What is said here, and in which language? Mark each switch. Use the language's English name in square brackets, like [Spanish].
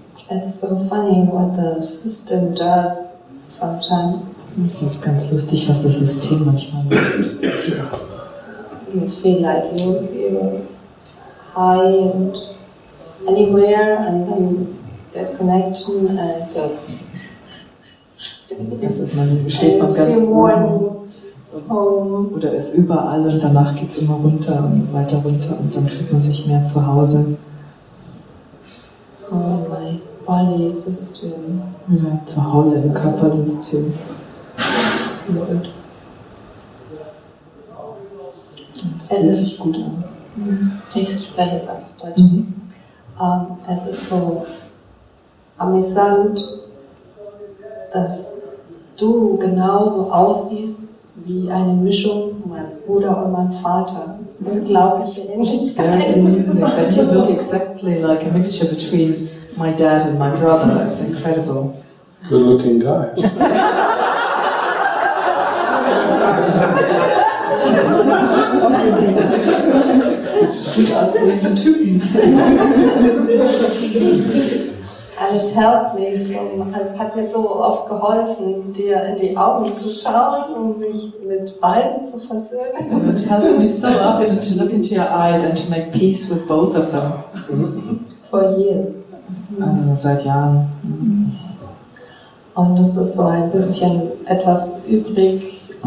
[English] It's so funny what the system does sometimes. [German] Es ist ganz lustig, was das System manchmal macht. [English] You feel like you're high and anywhere and then that connection and it goes. [German] Also man steht man ganz oben oder ist überall und danach geht es immer runter und weiter runter und dann fühlt man sich mehr zu Hause. [English] Oh, my body system. [German] Ja, zu Hause im Körpersystem. So gut. Es fühlt sich gut an. Ich spreche jetzt einfach Deutsch. Es ist so amüsant, dass du genauso aussiehst wie eine Mischung mein Bruder und mein Vater. Unglaubliche Ähnlichkeit. [English] Yeah, in music, but you look exactly like a mixture between my dad and my brother. It's incredible. Good looking guy. [German] Gut aussehende Typen. [English] And it helped me so, [German] es hat mir so oft geholfen, dir in die Augen zu schauen und mich mit beiden zu versöhnen. [English] It helped me so often to look into your eyes and to make peace with both of them. For years. [German] Also seit Jahren. Und es ist so ein bisschen etwas übrig.